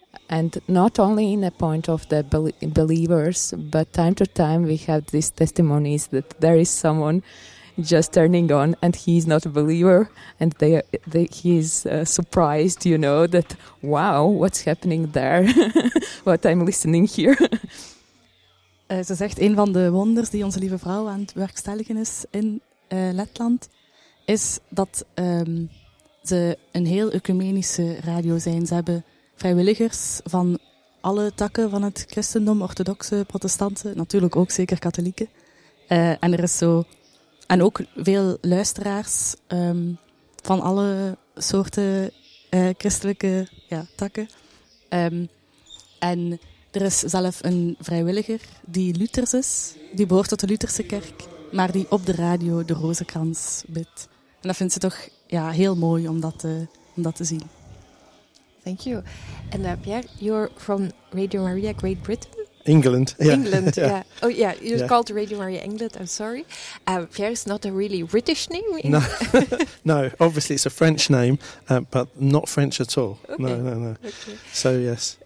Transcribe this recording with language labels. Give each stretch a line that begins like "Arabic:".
English: And not only in a point of the believers, but time to time we have these testimonies that there is someone just turning on and he's not a believer. And he's surprised, you know, that, wow, what's happening there? What I'm listening here.
Dutch: Ze zegt, een van de wonders die Onze Lieve Vrouw aan het werkstelligen is in Letland, is dat ze een heel ecumenische radio zijn. Ze hebben vrijwilligers van alle takken van het christendom, orthodoxe, protestanten, natuurlijk ook zeker katholieken. En er is zo. En ook veel luisteraars van alle soorten christelijke takken. En Er is zelf een vrijwilliger die Luthers is. Die behoort tot de Lutherse kerk, maar die op de radio de Rozenkrans bidt. En dat vindt ze toch ja, heel mooi om dat te zien.
English: Thank you. And Pierre, you're from Radio Maria Great Britain? England, yeah. England, yeah. Oh, yeah, you're yeah. called Radio Maria England, I'm sorry. Pierre is not a really British name. No. No, obviously it's a French name, but not French at all. Okay. No, no, no. Okay. So, yes.